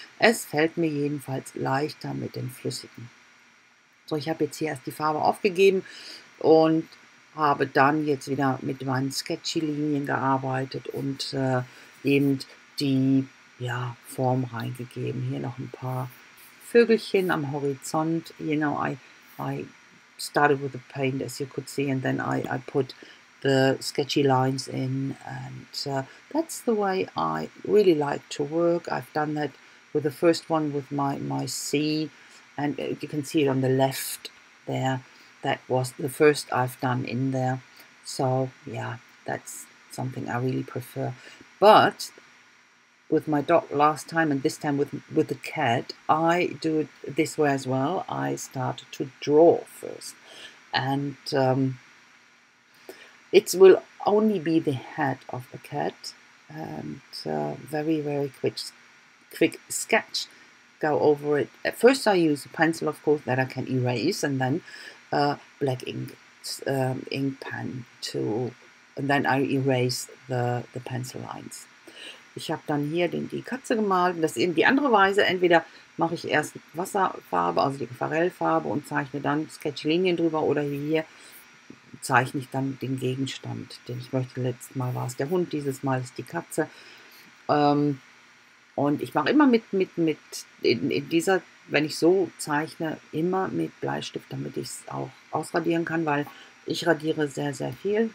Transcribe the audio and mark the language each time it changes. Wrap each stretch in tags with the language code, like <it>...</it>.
<de>Es fällt mir jedenfalls leichter mit den flüssigen. So, ich habe jetzt hier erst die Farbe aufgegeben und habe dann jetzt wieder mit meinen Sketchy-Linien gearbeitet und eben die Form reingegeben. Hier noch ein paar Vögelchen am Horizont.</de> <en>You know, I started with the paint, as you could see, and then I put the sketchy lines in. And that's the way I really like to work. I've done that with the first one with my sea. And you can see it on the left there. That was the first I've done in there. So, yeah, that's something I really prefer. But with my dog last time and this time with the cat, I do it this way as well. I start to draw first. And it will only be the head of the cat. And very, very quick sketch. Go over it. At first I use a pencil, of course, that I can erase, and then black ink ink pen to, and then I erase the pencil lines.</en> <de>Ich habe dann hier die Katze gemalt. Das ist eben die andere Weise. Entweder mache ich erst Wasserfarbe, also die Aquarellfarbe, und zeichne dann Sketchlinien drüber, oder hier zeichne ich dann den Gegenstand, den ich möchte. Letztes Mal war es der Hund, dieses Mal ist die Katze. Und ich mache immer in dieser, wenn ich so zeichne, immer mit Bleistift, damit ich es auch ausradieren kann, weil ich radiere sehr, sehr viel.</de>